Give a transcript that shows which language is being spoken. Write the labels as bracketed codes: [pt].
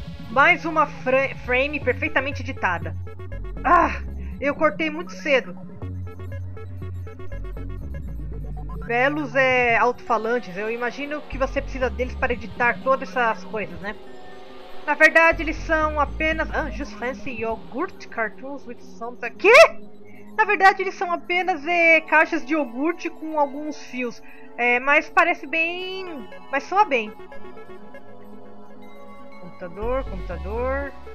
[pt] Mais uma frame perfeitamente editada. Ah, eu cortei muito cedo. Belos alto-falantes, eu imagino que você precisa deles para editar todas essas coisas, né? Na verdade, eles são apenas... [en] Ah, just fancy yogurt cartoons with something... [pt] Quê? Na verdade, eles são apenas caixas de iogurte com alguns fios. Mas parece bem... Mas soa bem. Computador, computador...